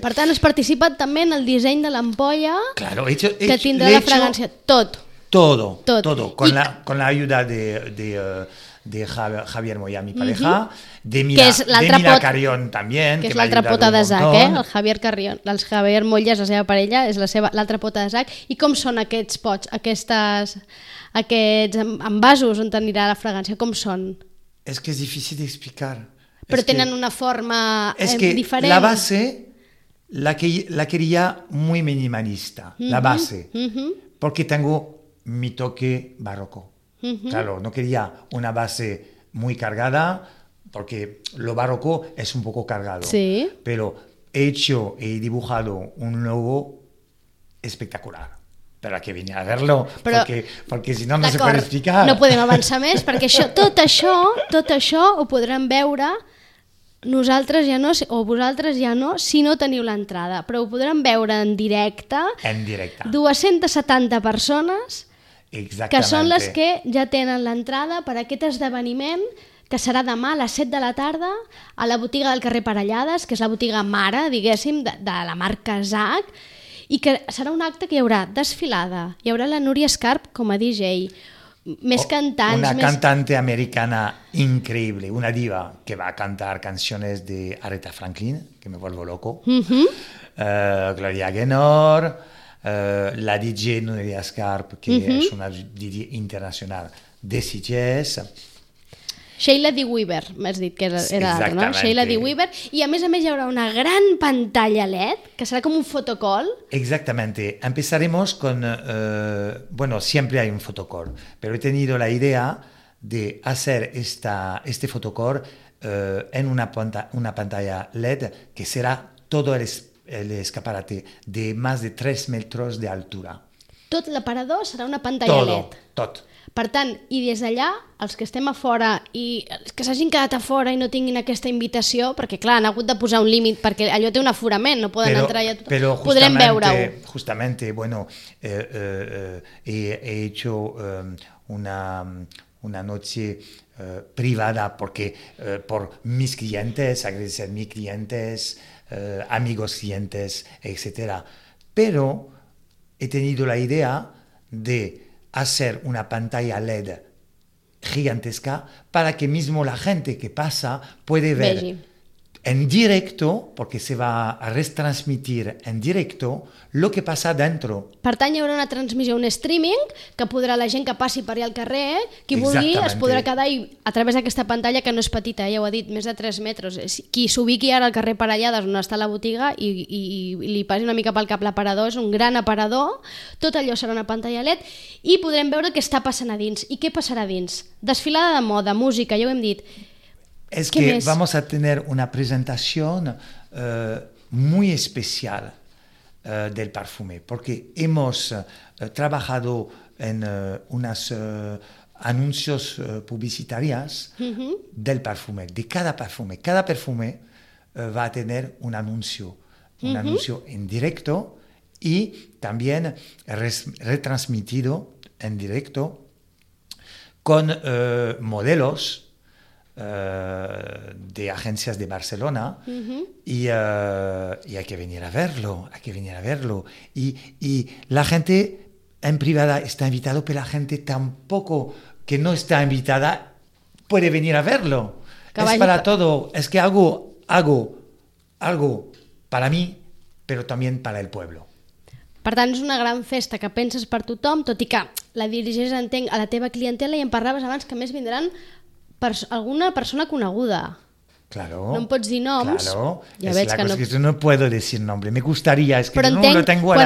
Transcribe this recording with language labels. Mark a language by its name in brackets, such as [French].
[Catalan] Per tant, has participat també en el disseny de l'ampolla. [Spanish] Claro, he hecho, [Catalan] que tindrà la fragància, [Spanish] todo con la ayuda de Javier Moya, mi pareja, de Mila, [Catalan] que és l'altra pota, Carrión también, que és l'altra pota de Zac, el Javier Carrión, el Javier Moya és la seva parella, és la seva, l'altra pota de Zac. I com són aquests pots, aquests envasos on anirà la fragància, com són? És que és difícil d'explicar. Però es tenen que, una forma [Spanish] es que [Catalan] diferent. [Spanish] La base la quería muy minimalista, la base, porque tengo mi toque barroco. Claro, no quería una base muy cargada, porque lo barroco es un poco cargado. Sí. Pero he hecho y dibujado un logo espectacular. Para que viniera a verlo, [Catalan] però, [Spanish] porque si no, no se puede explicar. [Catalan] No podem avançar més, perquè això, tot això ho podrem veure nosaltres ja no, o vosaltres ja no, si no teniu l'entrada. Però ho podrem veure en directe. En directe. 270 persones... Exactament. Que són les que ja tenen l'entrada per a aquest esdeveniment que serà demà a les 7 de la tarda a la botiga del carrer Parellades, que és la botiga mare, diguéssim, de la marca Zac, i que serà un acte que hi haurà desfilada. Hi haurà la Núria Escarp com a DJ, més cantants... Una més... [Spanish] cantante americana increïble, una diva que va a cantar canciones de Aretha Franklin, que me vuelvo loco, Gloria Gaynor... [Catalan] la DJ Núria Escarp, que és una DJ internacional de CGS. Sheila D. Weaver, m'has dit que era la, no? Sheila D. Weaver. I a més hi haurà una gran pantalla LED, que serà com un fotocall. [Spanish] Exactamente. Empezaremos con... bueno, siempre hay un fotocall, pero he tenido la idea de hacer este fotocall en una pantalla LED que será todo el escaparate de más de 3 metros de altura. [Catalan] Tot l'aparador serà una pantalla LED. Tot. Per tant, i des d'allà, els que estem a fora i els que s'hagin quedat a fora i no tinguin aquesta invitació, perquè clar, han hagut de posar un límit perquè allò té un aforament, no poden entrar allà, però podrem veure-ho. [Spanish] Justamente, bueno, he hecho una noche privada porque por mis clientes, agradecer a mis clientes, amigos, clientes, etcétera. Pero he tenido la idea de hacer una pantalla LED gigantesca para que mismo la gente que pasa puede ver en directo, porque se va a retransmitir en directo, lo que pasa dentro. [Catalan] Per tant, hi haurà una transmissió, un streaming, que podrà la gent que passi per allà al carrer, qui vulgui, es podrà quedar i, a través d'aquesta pantalla, que no és petita, ja ho ha dit, més de 3 metres. Qui s'ubiqui ara al carrer Parellades, on està la botiga, i li passi una mica pel cap l'aparador, és un gran aparador, tot allò serà una pantalla LED, i podrem veure què està passant a dins. I què passarà a dins? Desfilada de moda, música, ja ho hem dit. [Spanish] Es que vamos a tener una presentación muy especial del perfume, porque hemos trabajado en unas anuncios publicitarias del perfume, de cada perfume. Cada perfume va a tener un anuncio, un anuncio en directo y también retransmitido en directo con modelos de agencias de Barcelona y hay que venir a verlo y la gente en privada está invitado, pero la gente tampoco que no está invitada puede venir a verlo. Caballito. Es para todo, es que hago algo para mí, pero también para el pueblo. [Catalan] Per tant, és una gran festa que penses per tothom, tot i que la diriges, entenc, a la teva clientela, i en parlaves abans que més vindran alguna persona coneguda. [Spanish] Claro. [Catalan] No em pots dir noms. [Spanish] Claro. [Catalan] Ja veig que no. [Spanish] No puedo decir nombre. Me gustaría. Es que [Catalan] però entenc, [Spanish] no lo tengo a la